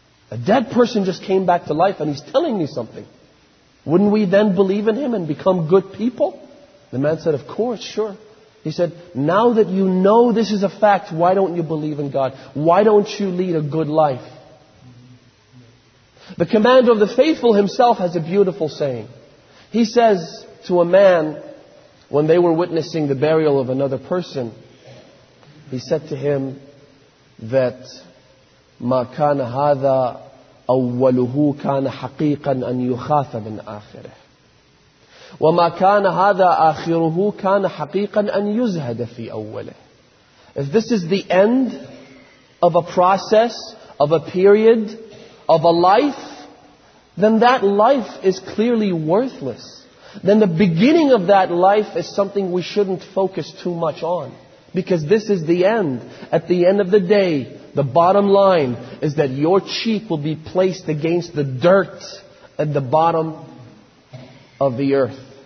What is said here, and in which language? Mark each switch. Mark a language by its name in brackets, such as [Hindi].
[English] A dead person just came back to life and he's telling me something. Wouldn't we then believe in him and become good people? The man said, of course, sure. He said, now that you know this is a fact, why don't you believe in God? Why don't you lead a good life? The commander of the faithful himself has a beautiful saying. He says to a man, when they were witnessing the burial of another person, he said to him that [Arabic] مَا كَانَ هَذَا أَوَّلُهُ كَانَ حَقِيقًا أَنْ يُخَافَ مِنْ آخِرِهِ وَمَا كَانَ هَذَا آخِرُهُ كَانَ حَقِيقًا أَنْ يُزْهَدَ فِي أَوَّلِهِ. [English] If this is the end of a process, of a period, of a life, then that life is clearly worthless. Then the beginning of that life is something we shouldn't focus too much on. Because this is the end. At the end of the day, the bottom line is that your cheek will be placed against the dirt at the bottom of the earth.